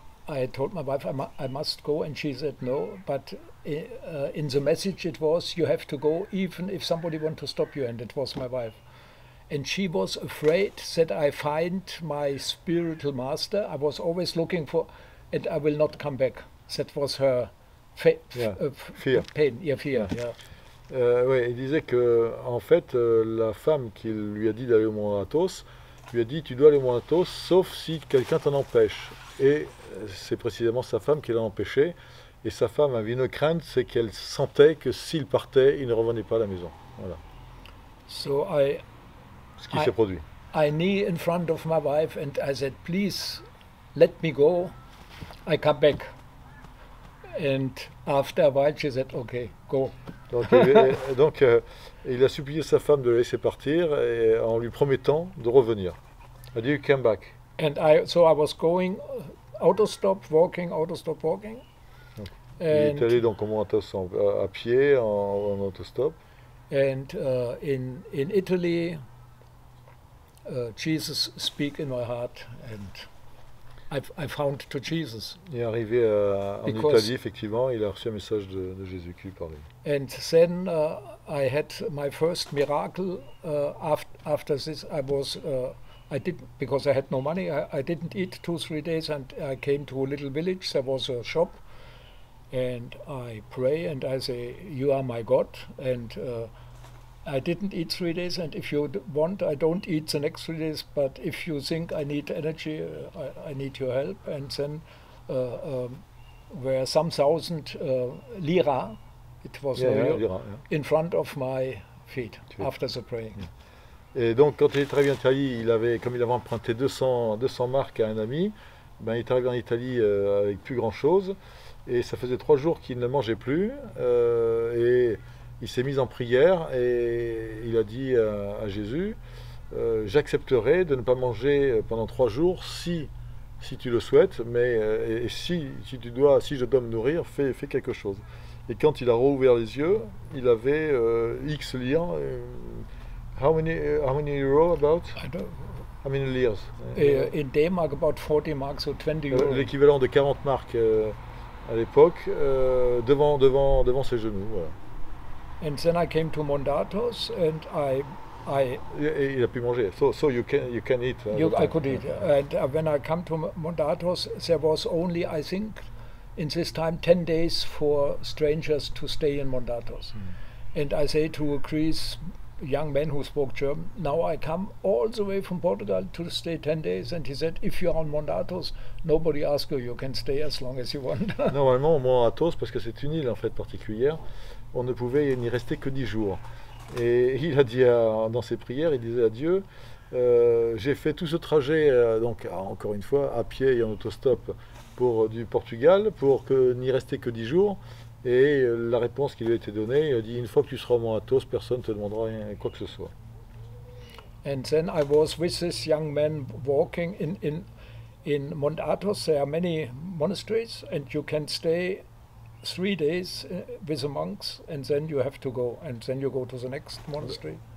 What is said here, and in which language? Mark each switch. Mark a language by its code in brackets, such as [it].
[en] I told my wife I must go, and she said no, but in the message it was, you have to go even if somebody want to stop you, and it was my wife. And she was afraid that I find my spiritual master. I was always looking for, and I will not come back. That was her Yeah, p fear. pain, your fear. Yeah. [fr] Ouais, il disait que, en fait, la femme qui lui a dit d'aller au mont Athos lui a dit, tu dois aller au mont Athos sauf si quelqu'un t'en empêche. Et c'est précisément sa femme qui l'a empêché. Et sa femme avait une crainte, c'est qu'elle sentait que s'il partait, il ne revenait pas à la maison. Voilà. [en] So [fr] Ce qui s'est produit. [en] I knee in front of my wife and I said, please let me go. I come back. And after a while, she said, okay, go. [fr] Donc, il a supplié sa femme de le laisser partir et en lui promettant de revenir. Elle dit, [en] come back. And I was going auto-stop walking, [fr] Il est [en] and [fr] allé donc au mont Athos à pied, en autostop. [en] in Italy, Jesus speak in my heart, and I found to Jesus [fr] Et arrivé en [en] because. [fr] Italie, effectivement, il a reçu un message de Jésus qui lui parlait. [en] And then I had my first miracle after this. I did because I had no money. I didn't eat 2 3 days, and I came to a little village. There was a shop, and I pray and I say, "You are my God." And I didn't eat 3 days. And if you want, I don't eat the next 3 days. But if you think I need energy, I need your help. And then were some thousand lira. It was Yeah, a real lira, yeah. in front of my feet after the praying. [fr] Et donc, quand il est arrivé en Italie, comme il avait emprunté 200 marques à un ami, ben, il est arrivé en Italie avec plus grand-chose. Et ça faisait 3 jours qu'il ne mangeait plus. Et il s'est mis en prière et il a dit à Jésus, j'accepterai de ne pas manger pendant 3 jours si tu le souhaites, mais et si tu dois, si je dois me nourrir, fais quelque chose. Et quand il a rouvert les yeux, il avait X liens. [en] How many euros about? How many lires? In Denmark, about 40 marks or 20 euros. [fr] L'équivalent de 40 marks à l'époque, devant ses genoux. Voilà. [en] And then I came to Mondatos and I [fr] Et il a pu manger. [en] So you can eat. You, I could eat. And when I come to Mondatos, there was only, I think, in this time, 10 days for strangers to stay in Mondatos. And I say to Chris, young man who spoke German, now I come all the way from Portugal to stay 10 days. And he said, if you are on Mondatos, nobody asks you, you can stay as long as you want. [fr] Normalement, au moins à Athos, parce que c'est une île en fait particulière, on ne pouvait n'y rester que 10 jours. Et il a dit dans ses prières, il disait à Dieu, j'ai fait tout ce trajet, donc encore une fois, à pied et en autostop pour du Portugal, pour que n'y rester que 10 jours. Et la réponse qui lui a été donnée, il a dit, une fois que tu seras au Mont-Athos, personne ne te demandera rien, quoi que ce soit. [en] And then I was with this young man walking in Mont Athos. There are many monasteries, and you can stay 3 days with the monks, and then you have to go, and then you go to the next monastery.